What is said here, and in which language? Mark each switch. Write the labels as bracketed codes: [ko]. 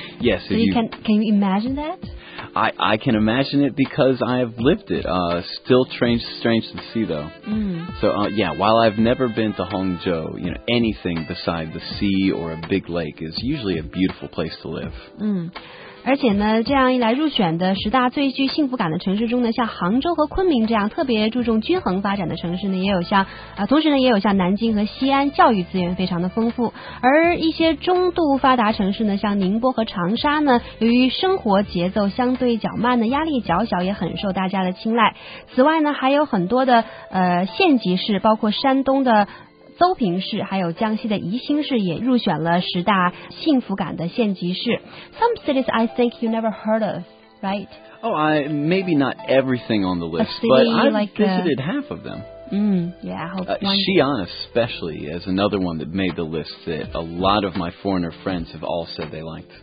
[en] Yes. So can you imagine that? I can imagine it because I've lived it. Still strange to see, though. Mm. So, while I've never been to Hangzhou, you know, anything beside the sea or a big lake is usually a beautiful place to live. Mm. [zh] 而且呢，这样一来入选的十大最具幸福感的城市中呢，像杭州和昆明这样特别注重均衡发展的城市呢，也有像同时呢也有像南京和西安，教育资源非常的丰富。而一些中度发达城市呢，像宁波和长沙呢，由于生活节奏相对较慢呢，压力较小，也很受大家的青睐。此外呢，还有很多的县级市，包括山东的邹平市，还有江西的宜兴市也入选了十大幸福感的县级市。 [en] Some cities I think you never heard of, right? Oh, maybe not everything on the list, visited half of them. Xi'an especially is another one that made the list that a lot of my foreigner friends have all said they liked.